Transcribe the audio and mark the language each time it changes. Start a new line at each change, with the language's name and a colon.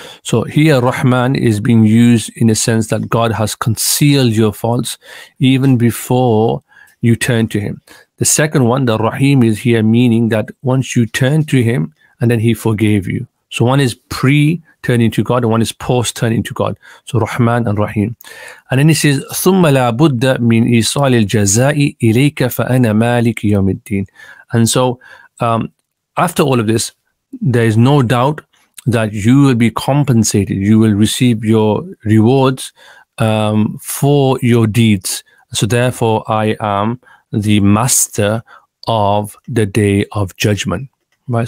English: So here Rahman is being used in a sense that God has concealed your faults even before you turn to him. The second one, the Rahim, is here meaning that once you turn to him and then he forgave you. So one is pre-turning to God and one is post-turning to God. So Rahman and Rahim. And then he says,
Arabic: ثُمَّ لَا بُدَّ مِنْ إِصَالِ الْجَزَاءِ إِلَيْكَ فَأَنَا مَالِكِ يَوْمِ الدِّينِ.
English: And so after all of this, there is no doubt that you will be compensated. You will receive your rewards for your deeds. So therefore, I am the master of the day of judgment. Right?